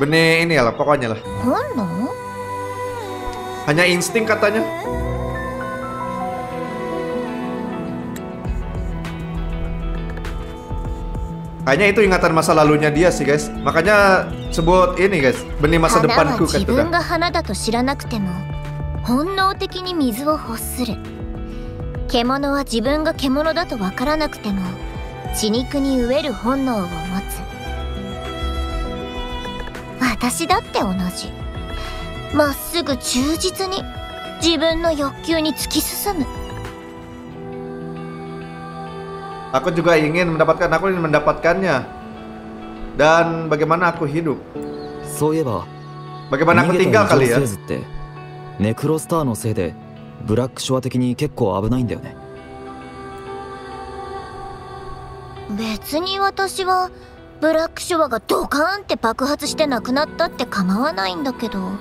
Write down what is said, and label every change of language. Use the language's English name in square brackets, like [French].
[Indonesian] Benih ini lah, pokoknya lah. [Japanese] Kono? [Indonesian] Hanya insting katanya. Kayaknya itu ingatan masa lalunya dia sih guys. Makanya sebut ini guys, benih masa depanku kan. [Japanese] 花は自分が花だと知らなくても本能的に水を欲する。獣は自分が獣だとわからなくても血肉に飢える本能を持つ。私だって同じ。まっすぐ忠実に自分の欲求に突き進む。 [Indonesian] Aku juga ingin mendapatkan, aku ingin mendapatkannya. Dan bagaimana aku hidup? [Japanese] そういえば、 [Indonesian] bagaimana aku tinggal kali ya? [Japanese] ネクロスターのせいでブラックショア的に結構危ないんだよね。別に私はブラックショアがドカーンって爆発してなくなったって構わないんだけど、